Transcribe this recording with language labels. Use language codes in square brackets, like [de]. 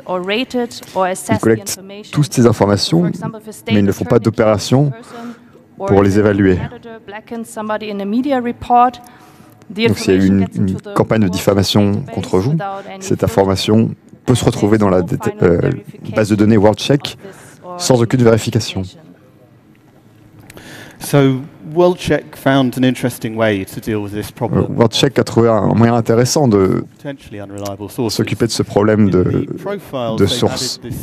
[fr] Ils collectent toutes ces informations, mais ils ne font pas d'opération pour les évaluer. Donc s'il y a eu une campagne de diffamation contre vous, cette information peut se retrouver dans la base de données WorldCheck sans aucune vérification. [en] So WorldCheck found an interesting way to deal with this problem. [fr] WorldCheck a trouvé un moyen intéressant de s'occuper de ce problème de sources.